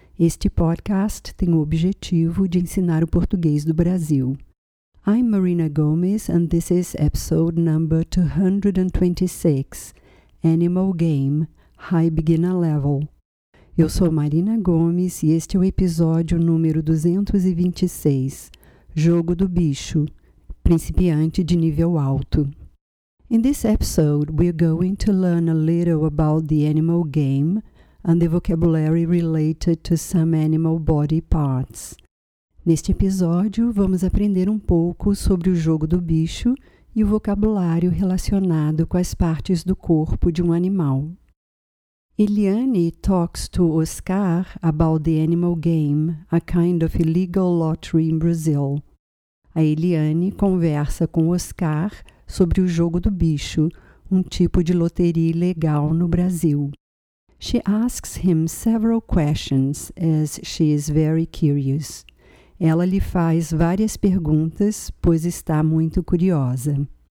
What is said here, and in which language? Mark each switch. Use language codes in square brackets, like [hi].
[pt] Este podcast tem o objetivo de ensinar o português do Brasil. [en] I'm Marina Gomes, and this is episode number 226, Animal Game, High Beginner Level. [pt] Eu sou Marina Gomes e este é o episódio número 226, Jogo do Bicho, Principiante de Nível Alto. [en] In this episode, we're going to learn a little about the animal game and the vocabulary related to some animal body parts. [pt] Neste episódio, vamos aprender um pouco sobre o jogo do bicho e o vocabulário relacionado com as partes do corpo de um animal. [en] Eliane talks to Oscar about the animal game, a kind of illegal lottery in Brazil. [pt] A Eliane conversa com Oscar sobre o jogo do bicho, um tipo de loteria ilegal no Brasil. [en] She asks him several questions as she is very curious. [pt] Ela lhe faz várias perguntas, pois está muito curiosa.